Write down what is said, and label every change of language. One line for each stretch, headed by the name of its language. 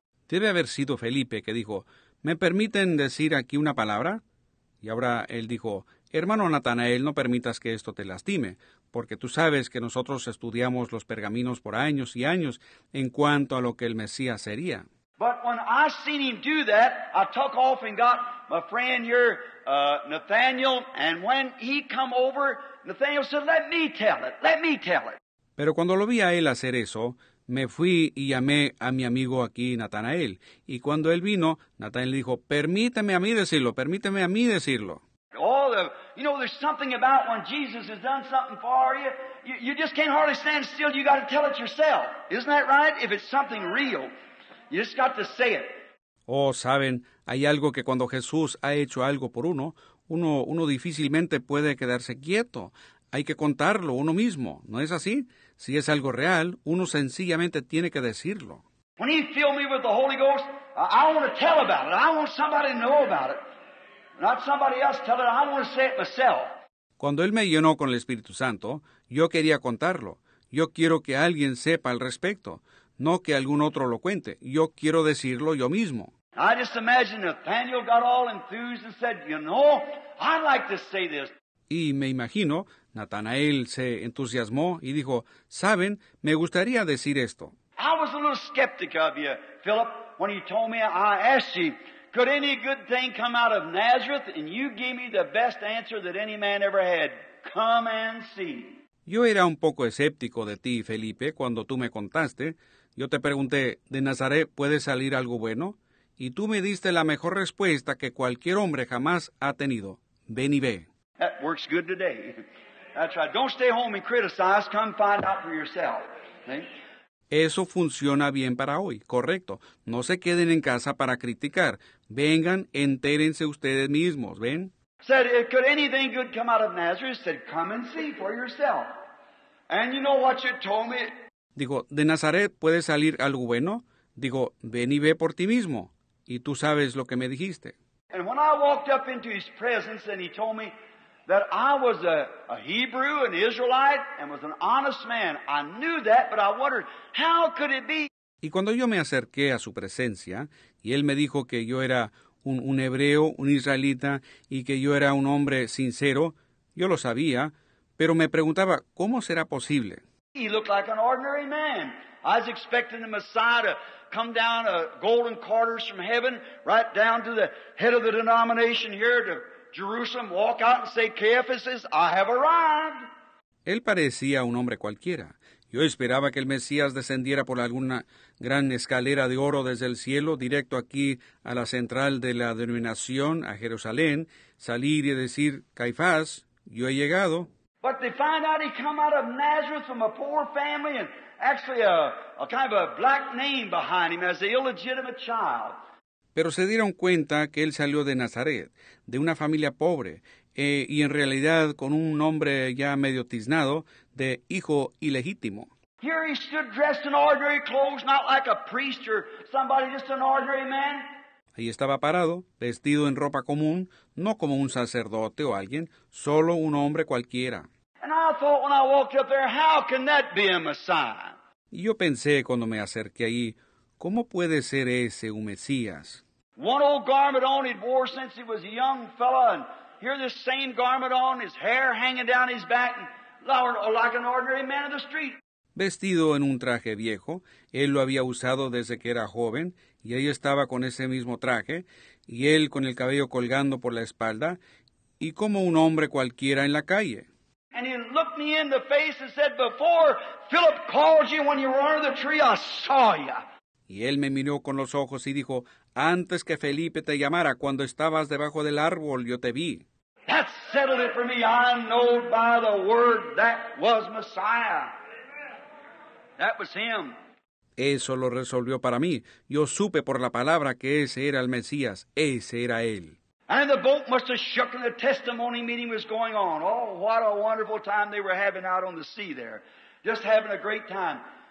Spanish: Debe haber sido Felipe que dijo, "¿Me permiten decir aquí una palabra?" Y ahora él dijo, "Hermano Natanael, no permitas que esto te lastime, porque tú sabes que nosotros estudiamos los pergaminos por años y años en cuanto a lo que el Mesías sería."
English: But when I seen him do that, I took off and got my friend here, Nathaniel, and when he come over, Nathaniel said, "Let me tell it, let me tell it."
Spanish: Pero cuando lo vi a él hacer eso, me fui y llamé a mi amigo aquí, Natanael. Y cuando él vino, Natanael dijo, "Permíteme a mí decirlo, permíteme a mí decirlo."
English: Oh, you know, there's something about when Jesus has done something for you, you just can't hardly stand still, you got to tell it yourself. Isn't that right? If it's something real, you just got to say it.
Spanish: Oh, saben, hay algo que cuando Jesús ha hecho algo por uno, uno difícilmente puede quedarse quieto. Hay que contarlo uno mismo, ¿no es así? Si es algo real, uno sencillamente tiene que decirlo.
English: When he filled me with the Holy Ghost, I want to tell about it. I want somebody to know about it. Not somebody else tell it. I want to say it myself.
Spanish: Cuando él me llenó con el Espíritu Santo, yo quería contarlo. Yo quiero que alguien sepa al respecto. No que algún otro lo cuente. Yo quiero decirlo yo mismo.
English: I just imagine Nathaniel got all enthused and said, "You know, I'd like to say this."
Spanish: Y me imagino, Natanael se entusiasmó y dijo, "Saben, me gustaría decir esto."
English: I was a little skeptic of you, Philip, when you told me, I asked you, "Could any good thing come out of Nazareth?" And you gave me the best answer that any man ever had. Come and see.
Spanish: Yo era un poco escéptico de ti, Felipe, cuando tú me contaste. Yo te pregunté, ¿de Nazaret puede salir algo bueno? Y tú me diste la mejor respuesta que cualquier hombre jamás ha tenido. Ven y ve.
English: That works good today. That's right. Don't stay home and criticize. Come find out for yourself. Okay?
Spanish: Eso funciona bien para hoy, correcto. No se queden en casa para criticar. Vengan, entérense ustedes mismos, ¿ven?
English: Said, "Could anything good come out of Nazareth?" Said, "Come and see for yourself." And you know what you told me?
Spanish: Digo, ¿de Nazaret puede salir algo bueno? Digo, ven y ve por ti mismo. Y tú sabes lo que me dijiste.
English: And when I walked up into his presence and he told me that I was a Hebrew, an Israelite, and was an honest man. I knew that, but I wondered, how could it be?
Spanish: Y cuando yo me acerqué a su presencia, y él me dijo que yo era un hebreo, un israelita, y que yo era un hombre sincero, yo lo sabía, pero me preguntaba, ¿cómo será posible?
English: He looked like an ordinary man. I was expecting the Messiah to come down a golden quarters from heaven, right down to the head of the denomination here to Jerusalem, walk out and say, "Caiaphas, I have arrived."
Spanish: Él parecía un hombre cualquiera. Yo esperaba que el Mesías descendiera por alguna gran escalera de oro desde el cielo, directo aquí a la central de la denominación, a Jerusalén, salir y decir, "Caifás, yo he llegado."
English: But they find out he come out of Nazareth from a poor family and actually a kind of a black name behind him as an illegitimate child.
Spanish: Pero se dieron cuenta que él salió de Nazaret, de una familia pobre, y en realidad con un nombre ya medio tiznado de hijo ilegítimo.
English: Here he stood dressed in ordinary clothes, not like a priest or somebody, just an ordinary man.
Spanish: Ahí estaba parado, vestido en ropa común, no como un sacerdote o alguien, solo un hombre cualquiera.
English: And I thought when I walked up there, how can that be a Messiah?
Spanish: Y yo pensé cuando me acerqué ahí, ¿cómo puede ser ese un Mesías?
English: One old garment on he'd wore since he was a young fella, and here this same garment on, his hair hanging down his back, and like an ordinary man of the street.
Spanish: Vestido en un traje viejo, él lo había usado desde que era joven, y ahí estaba con ese mismo traje, y él con el cabello colgando por la espalda, y como un hombre cualquiera en la calle.
English: And he looked me in the face and said, "Before Philip called you when you were under the tree, I saw you."
Spanish: Y él me miró con los ojos y dijo, "Antes que Felipe te llamara, cuando estabas debajo del árbol, yo te vi."
English: That settled it for me. I know by the word that was Messiah. That was him.
Spanish: Eso lo resolvió para mí. Yo supe por la palabra que ese era el Mesías. Ese era él.
English: And the boat must have shook and the testimony meeting was going on. Oh, what a wonderful time they were having out on the sea there. Just having a great time.